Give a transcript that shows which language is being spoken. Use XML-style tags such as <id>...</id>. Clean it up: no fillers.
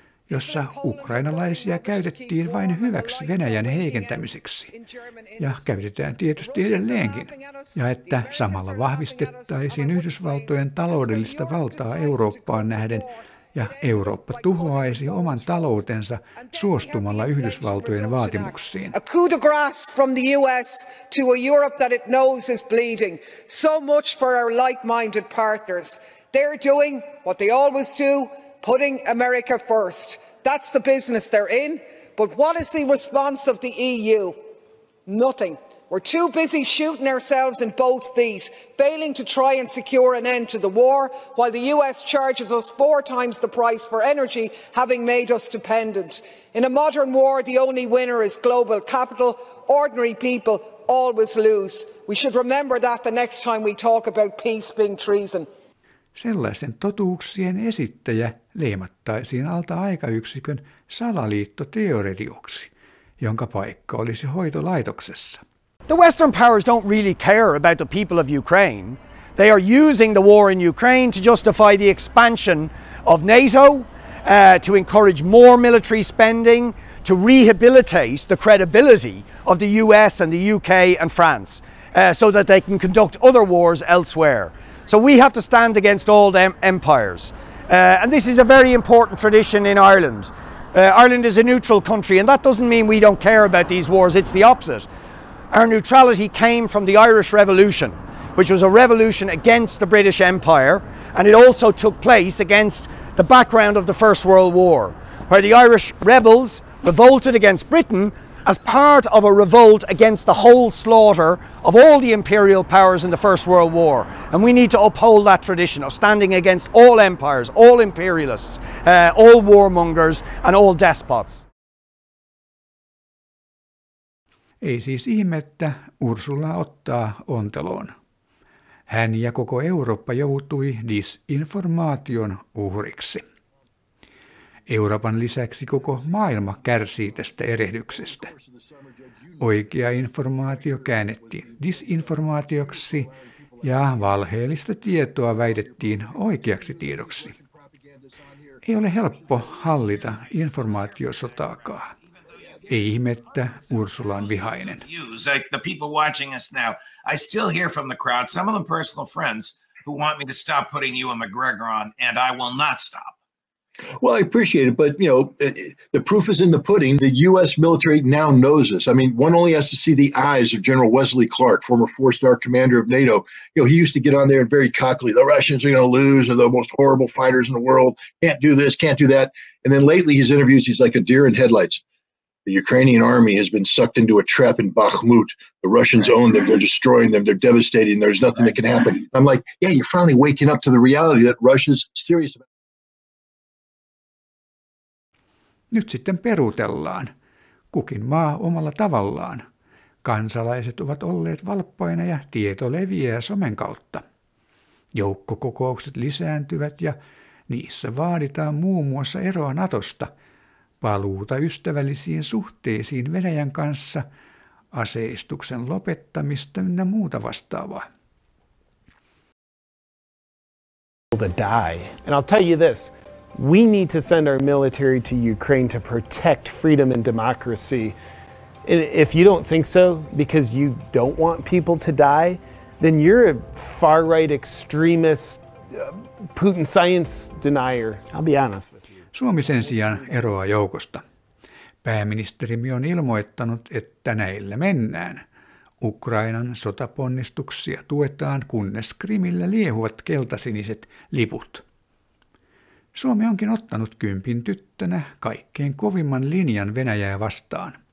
<fi>jossa ukrainalaisia käytettiin vain hyväksi Venäjän heikentämiseksi, ja käytetään tietysti edelleenkin, ja että samalla vahvistettaisiin Yhdysvaltojen taloudellista valtaa Eurooppaan nähden, ja Eurooppa tuhoaisi oman taloutensa suostumalla Yhdysvaltojen vaatimuksiin.</fi> <en>A coup de grâce from the US to a Europe that it knows is bleeding. So much for our like-minded partners. They're doing what they always do, putting America first. That's the business they're in. But what is the response of the EU? Nothing. We're too busy shooting ourselves in both feet, failing to try and secure an end to the war, while the US charges us four times the price for energy, having made us dependent. In a modern war, the only winner is global capital. Ordinary people always lose. We should remember that the next time we talk about peace being treason.</en> <fi>Sellaisten totuuksien esittäjä leimattaisiin alta aikayksikön salaliittoteoretioksi, jonka paikka olisi hoitolaitoksessa.</fi> <en>The Western powers don't really care about the people of Ukraine. They are using the war in Ukraine to justify the expansion of NATO, to encourage more military spending, to rehabilitate the credibility of the US and the UK and France, so that they can conduct other wars elsewhere. So we have to stand against all the empires. And this is a very important tradition in Ireland. Ireland is a neutral country, and that doesn't mean we don't care about these wars, it's the opposite. Our neutrality came from the Irish Revolution, which was a revolution against the British Empire, and it also took place against the background of the First World War, where the Irish rebels revolted against Britain as part of a revolt against the whole slaughter of all the imperial powers in the First World War. And we need to uphold that tradition of standing against all empires, all imperialists, all warmongers and all despots.</en> <fi>Ei siis ihme, että Ursula ottaa onteloon. Hän ja koko Eurooppa joutui disinformaation uhriksi. Euroopan lisäksi koko maailma kärsii tästä erehdyksestä. Oikea informaatio käännettiin disinformaatioksi ja valheellista tietoa väitettiin oikeaksi tiedoksi. Ei ole helppo hallita informaatiosotaakaan. Ei ihme, että Ursula on vihainen.</fi> <en>The people watching us now, I still hear from the crowd, some of them personal friends, who want me to stop putting you and McGregor on, and I will not stop. Well, I appreciate it, but, you know, the proof is in the pudding. The U.S. military now knows this. I mean, one only has to see the eyes of General Wesley Clark, former four-star commander of NATO. You know, he used to get on there and very cockily, the Russians are going to lose, they're the most horrible fighters in the world, can't do this, can't do that. And then lately, his interviews, he's like a deer in headlights. The Ukrainian army has been sucked into a trap in Bakhmut. The Russians own them. They're destroying them. They're devastating. There's nothing that can happen. I'm like, yeah, you're finally waking up to the reality that Russia's serious about.</en> <fi>Nyt sitten peruutellaan. Kukin maa omalla tavallaan. Kansalaiset ovat olleet valppaina ja tieto leviää somen kautta. Joukkokokoukset lisääntyvät ja niissä vaaditaan muun muassa eroa Natosta, paluuta ystävällisiin suhteisiin Venäjän kanssa, aseistuksen lopettamista ynnä muuta vastaavaa.</fi> <en>To die. And I'll tell you this, we need to send our military to Ukraine to protect freedom and democracy. If you don't think so because you don't want people to die, then you're a far-right extremist Putin science denier. I'll be honest with you.</en> <fi>Suomi sen sijaan eroaa joukosta. Pääministerimme on ilmoittanut, että näillä mennään. Ukrainan sotaponnistuksia tuetaan, kunnes Krimillä liehuvat keltasiniset liput. Suomi onkin ottanut kympin tyttönä kaikkein kovimman linjan Venäjää vastaan.</fi>